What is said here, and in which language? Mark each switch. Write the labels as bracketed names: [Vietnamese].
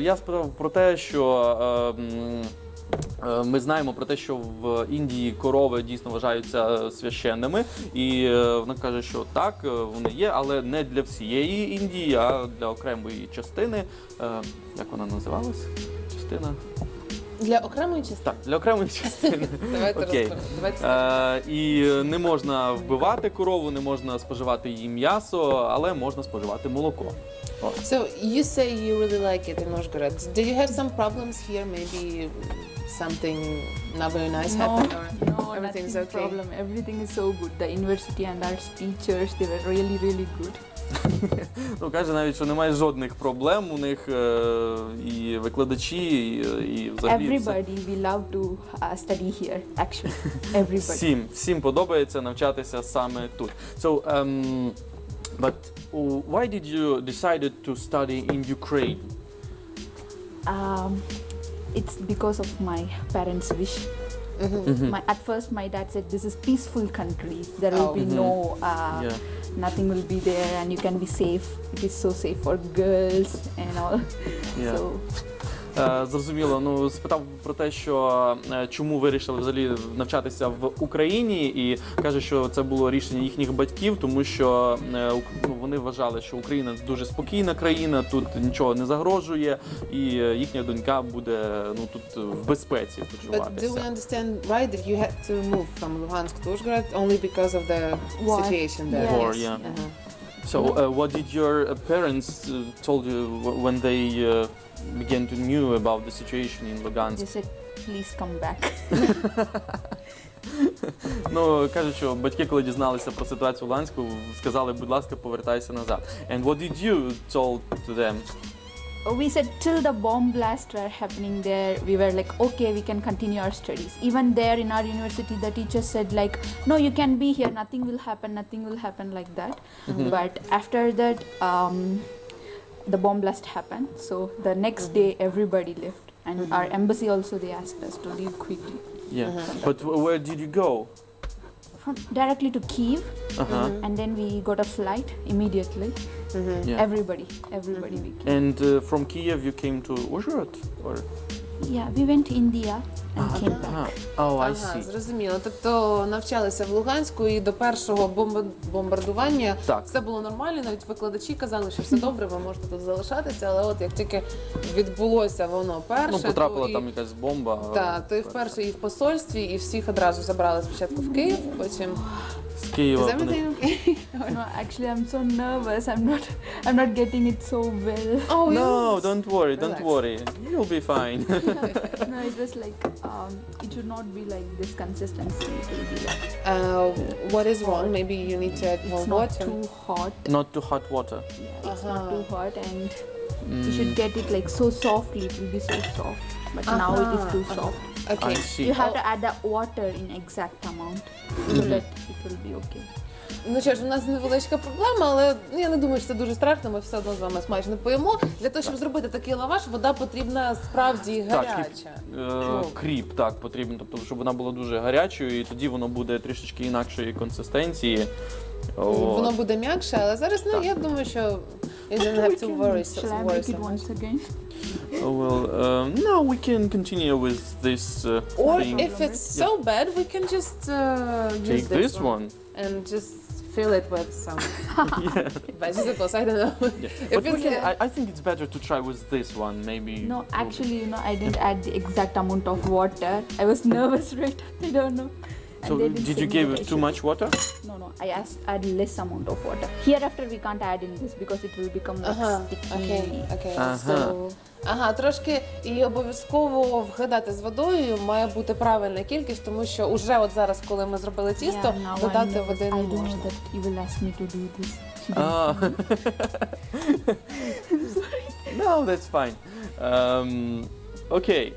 [Ukrainian] Я спитав про те, що ми знаємо про те, що в Індії корови дійсно вважаються священними, і вона каже, що так, вони є, але не для всієї Індії, а для окремої частини. Як вона називалась? Частина? Для окремої частини? Так, для окремої частини. Давайте [English] okay. [Ukrainian] розповімо. І не можна вбивати корову, не можна споживати її м'ясо, але можна споживати молоко. [English] So, you say you really like it in Novgorod. Do you have some problems here? Maybe something not very nice happened? No, everything's okay. Problem. Everything is so good. The university and our teachers, they were really, really good. [Ukrainian] Ну, каже навіть, що немає жодних проблем у них, і викладачі, і взагалі [English] все. Everybody, we love to study here, actually. Everybody. [Ukrainian] Всім подобається навчатися саме тут. [English] So, but why did you decided to study in Ukraine? It's because of my parents' wish. At first, my dad said, this is peaceful country. There will be no... nothing will be there and you can be safe. It is so safe for girls and all. [Ukrainian] Yeah. Зрозуміло. Ну, спитав про те, що чому вирішили взагалі навчатися в Україні, і каже, що це було рішення їхніх батьків, тому що вони вважали, що Україна дуже спокійна країна, тут нічого не загрожує, і їхня донька буде, ну, тут в безпеці почуватися. [English] But do we understand right that you had to move from Luhansk to Uzhgorod only because of the war. Situation there? Yes. War, yeah. Uh-huh. So, what did your parents told you when they began to knew about the situation in Lugansk. They said, please come back. [Ukrainian] Ну, кажуть, що батьки, коли дізналися про ситуацію в Луганську, сказали, будь ласка, повертайся назад. [English] And what did you tell to them? We said, till the bomb blast were happening there, we were like, okay, we can continue our studies. Even there in our university, the teacher said like, no, you can be here, nothing will happen like that. Mm-hmm. But after that, the bomb blast happened, so the next day everybody left, and our embassy also, they asked us to leave quickly. Yeah, but where did you go? From directly to Kyiv, and then we got a flight immediately. Yeah. Everybody we came. And from Kyiv you came to Uzhgorod, or? Yeah, we went to India and came back. Oh, I see. [Ukrainian] Зрозуміло. Тобто навчалися в Луганську і до першого бомбардування все було нормально, навіть викладачі казали, що все добре, ви можете тут залишатися, але от як тільки відбулося воно перше, ну, потрапила там якась бомба. Так, то і вперше і в посольстві, і всіх одразу забрали спочатку в Київ, потім з Києва. [English] Is everything okay? No, actually I'm so nervous. I'm not getting it so well. Oh, no, don't worry. Relax. Don't worry. You'll be fine. No, it was like it should not be like this consistency. It will be like, what is wrong? Hot. Maybe you need to add more it's water. Not too hot. Not too hot water. Yeah, it's not too hot, and you should get it like so softly. It will be so soft. But now it is too soft. Okay. I see. You have to add the water in exact amount so that it will be okay. [Ukrainian] Ну що ж, у нас невеличка проблема, але ну, я не думаю, що це дуже страшно, ми все одно з вами смачно поїмо. Для того, щоб зробити такий лаваш, вода потрібна справді гаряча. Так, кріп, так, потрібен, тобто, щоб вона була дуже гарячою, і тоді воно буде трішечки інакшої консистенції. От. Воно буде м'якше, але зараз, ну, я думаю, що... [English] You don't have to worry. Shall I make it once again? Well, no, we can continue with this or thing. Or if it's so bad, we can just take this one. And just fill it with some vegetables, I don't know. Yeah. But I think it's better to try with this one, maybe. No, actually, you know, I didn't add the exact amount of water. I was nervous, right? I don't know. So did you give it too much water? No, no, I add less amount of water. Hereafter we can't add in this because it will become like sticky. Okay. [Ukrainian] Трошки і обов'язково вгадати з водою має бути правильна кількість, тому що уже от зараз, коли ми зробили тісто, додати води не можна. [English] You will ask me to do this. No, that's fine. Okay.